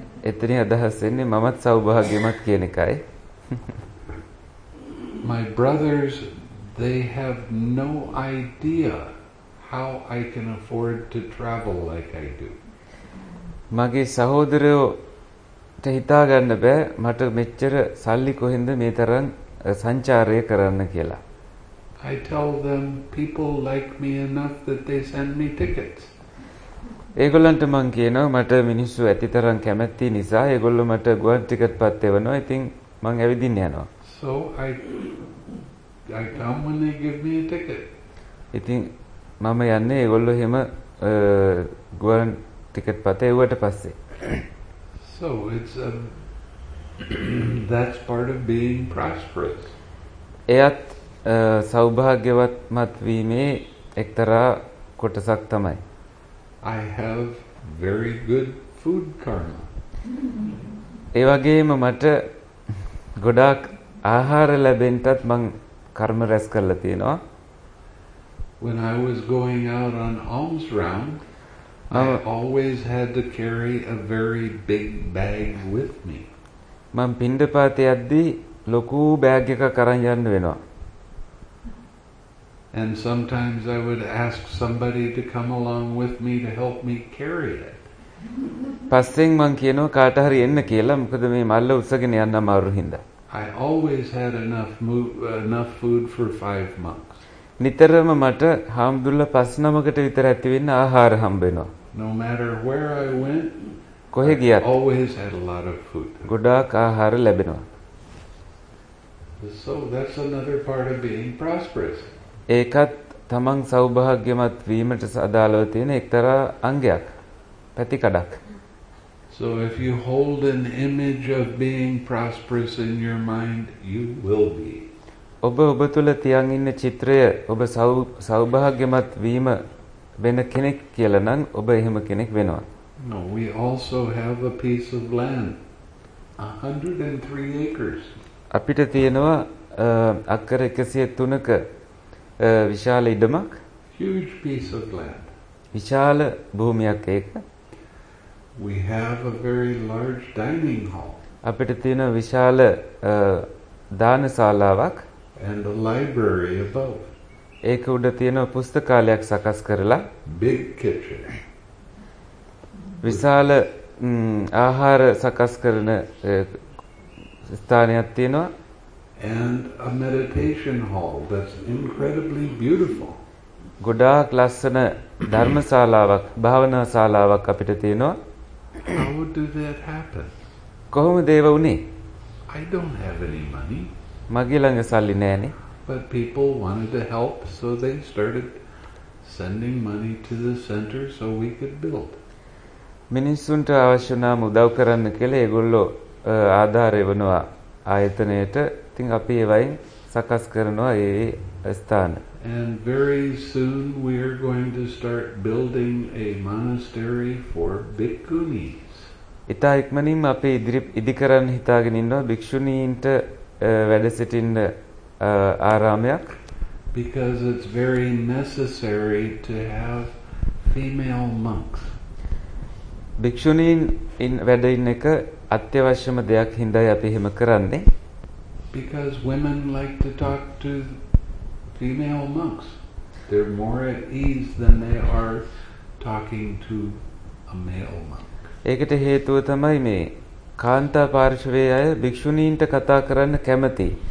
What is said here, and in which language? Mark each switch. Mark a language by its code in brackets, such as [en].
[si] එතන අදහස් වෙන්නේ මමත් සෞභාග්‍යමත් කියන එකයි. [en] My brothers, they have no idea how I can afford to travel like I do. [si] මගේ සහෝදරයෝ හිතා ගන්න බෑ මට මෙච්චර සල්ලි කොහෙන්ද මේ තරම් සංචාරය කරන්න කියලා. [en] I tell them people like me enough that they send me tickets. [si] ඒගොල්ලන්ට මං කියනවා මට මිනිස්සු ඇතිතරම් කැමැති නිසා ඒගොල්ලෝ මට ගුවන් ටිකට් පත් එවනවා. ඉතින් මං ඇවිදින්න යනවා. [en] So I come when they give me a ticket. [si] ඉතින් මම යන්නේ ඒගොල්ලෝ එහෙම ගුවන් ටිකට් පත් එවුවට පස්සේ. [en] So it's that's part of being prosperous. [si] එයත් සෞභාග්‍යවත් වීමේ එක්තරා කොටසක් තමයි. [en] I have very good food karma. [si] ඒ වගේම මට ගොඩාක් ආහාර ලැබෙන්නත් මං කර්ම රැස් කරලා තියෙනවා. [en] When I was going out on alms round, I always had to carry a very big bag with me. [si] මං පින්දපාතේ යද්දී ලොකු බෑග් එකක් අරන් යන්න වෙනවා. [en] And sometimes I would ask somebody to come along with me to help me carry it. [si] පස්සෙන් මං කියනවා කාට හරි එන්න කියලා මොකද මේ මල්ල උස්සගෙන යන්න අමාරු හින්දා. [en] I always had enough food for 5 monks. [si] නිතරම මට හාමුදුරුවෝ පස් නමකට විතර ඇති වෙන්න ආහාර හම්බ වෙනවා. [en] No matter where I went, [si] කොහෙ ගියත් [en] always had a lot of food. [si] ගොඩාක් ආහාර ලැබෙනවා. [en] So that's another part of being prosperous. [si] ඒකත් තමන් සෞභාග්‍යමත් වීමට අදාළව තියෙන එක්තරා අංගයක් පැතිකඩක්. [en] So if you hold an image of being prosperous in your mind, you will be. [si] ඔබ තුල තියන් ඉන්න චිත්‍රය ඔබ සෞභාග්‍යමත් වීම වෙන කෙනෙක් කියලා නම් ඔබ එහෙම කෙනෙක් වෙනවා. [en] No, we also have a piece of land. 103 acres. [si] අපිට තියෙනවා අක්කර 103ක විශාල ඉඩමක්. [en] Huge piece of land. [si] විශාල භූමියක් ඒක. [en] We have a very large dining hall. [si] අපිට තියෙන විශාල දාන ශාලාවක්. [en] And a library above. [si] ඒක උඩ තියෙන පුස්තකාලයක් සකස් කරලා. [en] Big kitchen. [si] විශාල ආහාර සකස් කරන ස්ථානයක් තියෙනවා. [en] And a meditation hall that's incredibly beautiful. [si] ගොඩාක් ලස්සන ධර්මශාලාවක්, භාවනා ශාලාවක් අපිට තියෙනවා. [en] How did that happen? [si] කොහොමද ඒව උනේ? [en] I don't have any money. [si] මගේ ළඟ සල්ලි නෑනේ. [en] But people wanted to help, so they started sending money to the center so we could build. [si] මිනිස්සුන්ට අවශ්‍ය නම් උදව් කරන්න කියලා ඒගොල්ලෝ ආධාර එවනවා ආයතනයට. ඉතින් අපි ඒවයින් සකස් කරනවා ඒ ස්ථාන. [en] And very soon we are going to start building a monastery for bhikkhunis. [si] ඉතා ඉක්මනින්ම අපි ඉදි කරන්න හිතාගෙන ඉන්නවා භික්ෂුණීන්ට වැඩ සිටින්න ආරාමයක්. [en] Because it's very necessary to have female monks. [si] භික්ෂුණීන් වැඩ ඉන්න එක අත්‍යවශ්‍යම දෙයක් හින්දායි අපි එහෙම කරන්නේ. [en] Because women like to talk to female monks. They're more at ease than they are talking to a male monk. [si] ඒකට හේතුව තමයි මේ කාන්තා පාර්ශවයේ අය භික්ෂුණීන්ට කතා කරන්න කැමති.